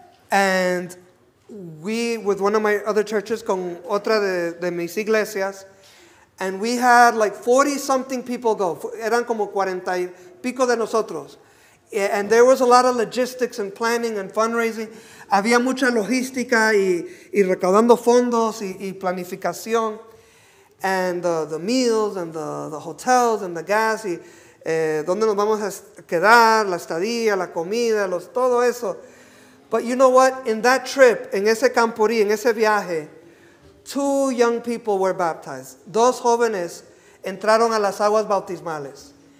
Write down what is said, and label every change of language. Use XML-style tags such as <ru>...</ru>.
<en>And we, with one of my other churches,</en> <es>con otra de mis iglesias,</es> <en>and we had like 40-something people go.</en> <es>Eran como 40 y pico de nosotros.</es> <en>And there was a lot of logistics and planning and fundraising.</en> <es>Había mucha logística y recaudando fondos y planificación.</es> <en>And the meals and the hotels and the gas.</en> <es>Y dónde nos vamos a quedar, la estadía, la comida, todo eso.</es> <en>But you know what? In that trip,</en> <es>en ese campurí, en ese viaje,</es> <en>two young people were baptized.</en> <es>Dos jóvenes entraron a las aguas bautismales.</es>